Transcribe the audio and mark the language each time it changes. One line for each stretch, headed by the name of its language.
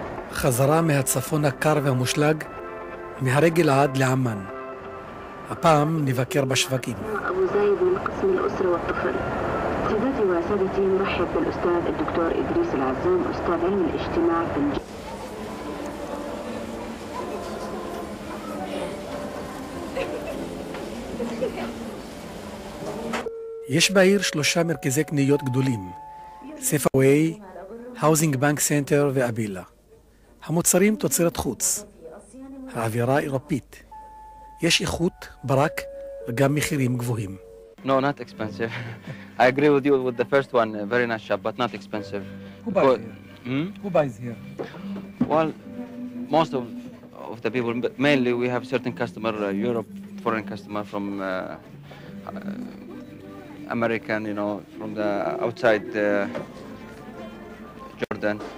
Hebrew: חזרה מהצפון הקר והמושלג, מהרגל עד לעמן. הפעם נבקר בשווקים.
Arabic: אבו זייד من قسم الاسره والطفل. سيداتي وسادتي نرحب بالاستاذ الدكتور ادريس العزام استاذ علم الاجتماع في الج...
Hebrew: יש בעיר שלושה מרכזי קניות גדולים. סייפווי, האוזינג בנק סנטר ואבילה. המוצרים תוצרת חוץ. האווירה אירופית. יש איכות, ברק, וגם מחירים גבוהים.
English: No, not expensive. I agree with you with the first one, very nice shop, but not expensive. Who buys here? Who buys here? Well, most of the people, mainly we have certain customer, Europe, foreign customer from American, you know, from the outside Jordan.